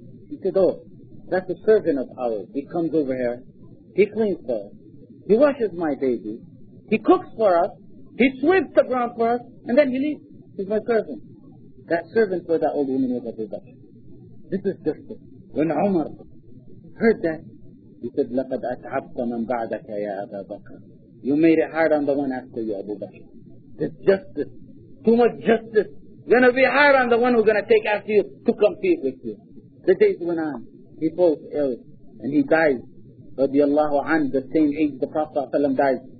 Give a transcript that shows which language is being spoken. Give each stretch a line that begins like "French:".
English: He said, oh, that's a servant of ours. He comes over here. He cleans for us. He washes my baby. He cooks for us. He sweeps the ground for us. And then he leaves. He's my servant. That servant for that old woman was Abu Bakr. This is justice. When Umar heard that, he said,
Arabic: لَقَدْ أَتْعَبْتَ مَنْ بَعْدَكَ يَا أَبَا بَكْرٍ.
English: You made it hard on the one after you, Abu Bakr. It's justice. Too much justice. Gonna be hard on the one who's gonna take after you to compete with you. The days went on. He falls ill and he dies. Radiallahu anhu, the same age the Prophet ﷺ dies.